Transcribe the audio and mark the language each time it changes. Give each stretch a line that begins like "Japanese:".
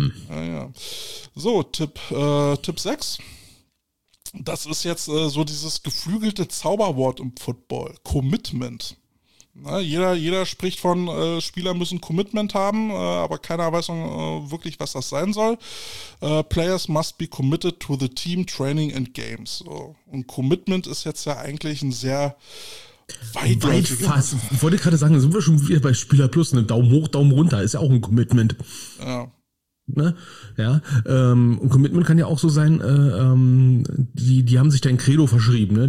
German: Ja. So, Tipp 6. Das ist jetzt so dieses geflügelte Zauberwort im Football, Commitment. Na, jeder spricht von, Spieler müssen Commitment haben, aber keiner weiß wirklich, was das sein soll.
English: Players must be committed to the team, training and games.
German: So. Und Commitment ist jetzt ja eigentlich ein sehr weitläufiger... Ich wollte gerade sagen, sind wir schon wieder bei Spieler Plus, ne? Daumen hoch, Daumen runter, ist ja auch ein Commitment. Ja. Ne? Ja, und Commitment kann ja auch so sein, die haben sich dein Credo verschrieben, ne?